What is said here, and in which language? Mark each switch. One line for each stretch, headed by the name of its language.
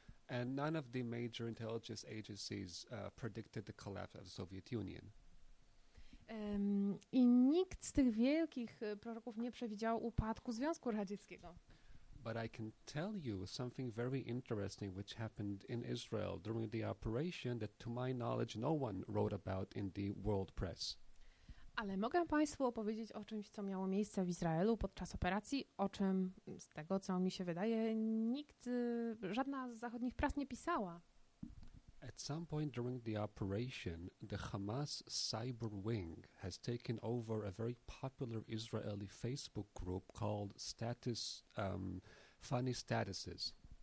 English: And none of the major intelligence agencies predicted the collapse of the Soviet Union.
Polish: I nikt z tych wielkich proroków nie przewidział upadku Związku Radzieckiego.
English: But I can tell you something very interesting which happened in Israel during the operation that, to my knowledge, no one wrote about in the world press.
Polish: Ale mogę Państwu opowiedzieć o czymś, co miało miejsce w Izraelu podczas operacji, o czym, z tego co mi się wydaje, nikt, żadna z zachodnich prac nie pisała.
English: At some point during the operation, the Hamas cyber wing has taken over a very popular Israeli Facebook group called Status, Funny Statuses.